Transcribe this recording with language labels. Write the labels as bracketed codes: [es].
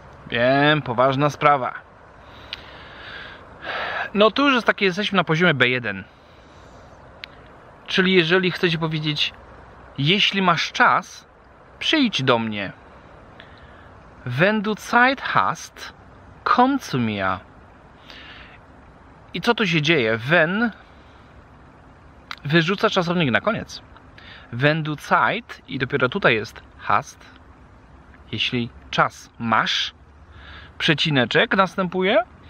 [pl] Wiem, poważna sprawa. No tu już jest takie, jesteśmy na poziomie B1. Czyli jeżeli chcecie powiedzieć, jeśli masz czas, przyjdź do mnie. [de] Wenn du Zeit hast, komm zu mir. [pl] I co tu się dzieje? Wenn wyrzuca czasownik na koniec. [de] Wenn du Zeit, [pl] i dopiero tutaj jest hast, jeśli czas masz, przecineczek następuje.